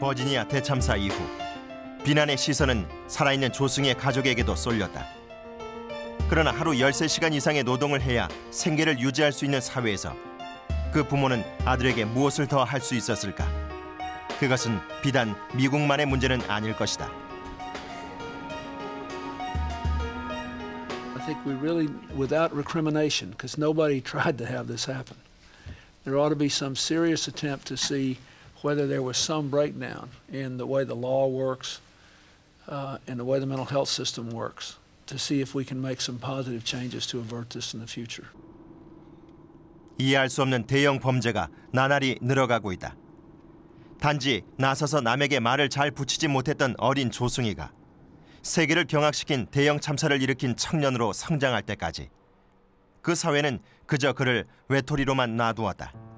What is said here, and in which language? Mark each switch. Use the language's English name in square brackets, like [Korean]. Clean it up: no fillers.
[Korean] 버지니아 대참사 이후 비난의 시선은 살아있는 조승의 가족에게도 쏠렸다. 그러나 하루 13시간 이상의 노동을 해야 생계를 유지할 수 있는 사회에서 그 부모는 아들에게 무엇을 더 할 수 있었을까? 그것은 비단 미국만의 문제는 아닐 것이다. [English] I think we really without recrimination because nobody tried to have this happen. There ought to be some serious attempt to see whether there was some breakdown in the way the law works and the way the mental health system works to see if we can make some positive changes to avert this in the future. [Korean] 이해할 수 없는 대형 범죄가 나날이 늘어가고 있다. 단지 나서서 남에게 말을 잘 붙이지 못했던 어린 조승희가 세계를 경악시킨 대형 참사를 일으킨 청년으로 성장할 때까지 그 사회는 그저 그를 외톨이로만 놔두었다.